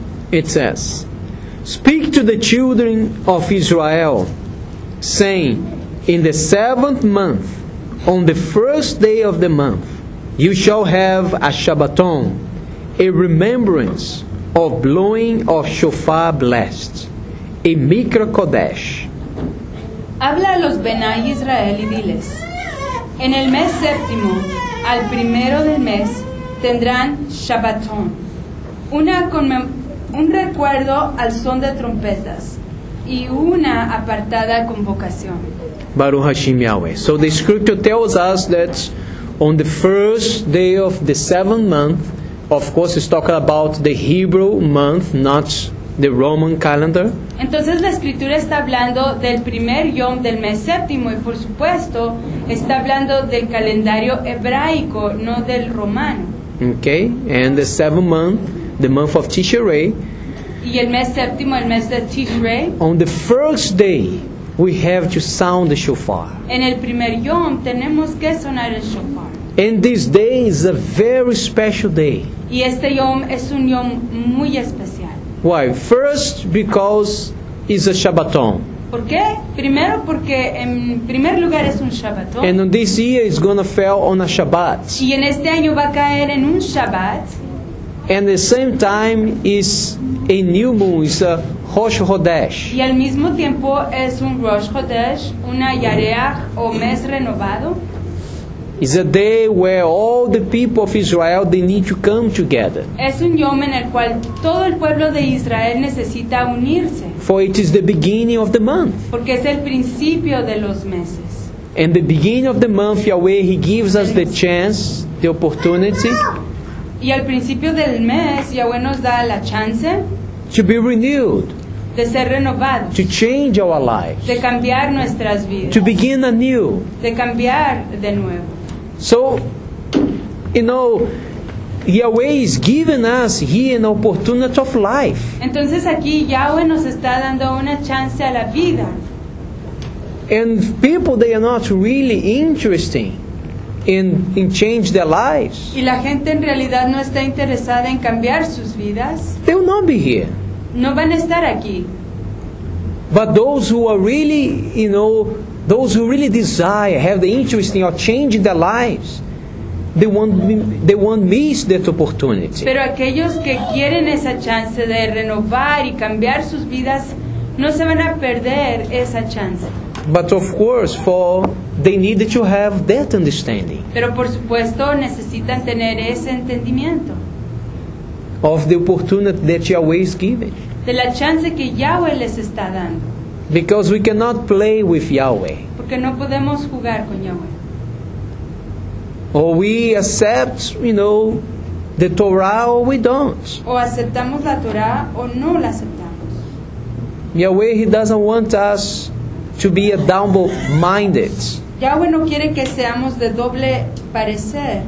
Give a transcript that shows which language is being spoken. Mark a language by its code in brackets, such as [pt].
[en] It says, speak to the children of Israel, saying, in the seventh month, on the first day of the month, you shall have a Shabbaton, a remembrance of blowing of shofar blast, a mikra kodesh. [es] Habla a los Benai Israel y diles, en el mes séptimo, al primero del mes, tendrán Shabbaton, un recuerdo al son de trompetas y una apartada convocación. [he] Baruch Hashem Yahweh. [en] So the scripture tells us that on the first day of the seventh month, of course it's talking about the Hebrew month, not the Roman calendar. [es] Entonces la escritura está hablando del primer Yom del mes séptimo y por supuesto está hablando del calendario hebraico, no del romano. [en] Okay, and the seventh month, the month of Tishrei. [es] Y el mes séptimo, el mes de Tishrei. [en] On the first day, we have to sound the shofar. [es] En el primer Yom tenemos que sonar el shofar. [en] And this day is a very special day. [es] Y este Yom es un Yom muy especial. [en] Why? First, because it's a Shabbaton. [es] ¿Por qué? Primero porque en primer lugar es un Shabbaton. [en] And this year it's going to fall on a Shabbat. [es] Y en este año va a caer en un Shabbat. [en] And the same time is a new moon, it's a Rosh Chodesh. [es] Y al mismo tiempo es un Rosh Chodesh, una Yareach o mes renovado. [en] It's a day where all the people of Israel, they need to come together. [es] Es un yom en el cual todo el pueblo de Israel necesita unirse. [en] For it is the beginning of the month. [es] Porque es el principio de los meses. [en] And the beginning of the month, Yahweh, He gives us the chance, the opportunity. [es] Y al principio del mes, Yahweh nos da la chance. [en] To be renewed. [es] De ser renovados. [en] To change our lives. [es] De cambiar nuestras vidas. [en] To begin anew. [es] De cambiar de nuevo. [en] So, you know, Yahweh is giving us here an opportunity of life. [es] Entonces aquí Yahweh nos está dando una chance a la vida. [en] And people, they are not really interesting in change their lives. [es] Y la gente en realidad no está interesada en cambiar sus vidas. [en] They will not be here. [es] No van a estar aquí. [en] But those who are really, you know, those who really desire, have the interest in or change their lives, they won't miss that opportunity. [es] Pero aquellos que quieren esa chance de renovar y cambiar sus vidas, no se van a perder esa chance. [en] But of course, for they need to have that understanding. [es] Pero por supuesto, necesitan tener ese entendimiento. [en] Of the opportunity that Yahweh is giving. [es] De la chance que Yahweh les está dando. [en] Because we cannot play with Yahweh. [es] Porque no podemos jugar con Yahweh. [en] Or we accept, you know, the Torah or we don't. [es] O aceptamos la Torah o no la aceptamos. [en] Yahweh, He doesn't want us to be a double minded. [es] Yahweh no quiere que seamos de doble parecer.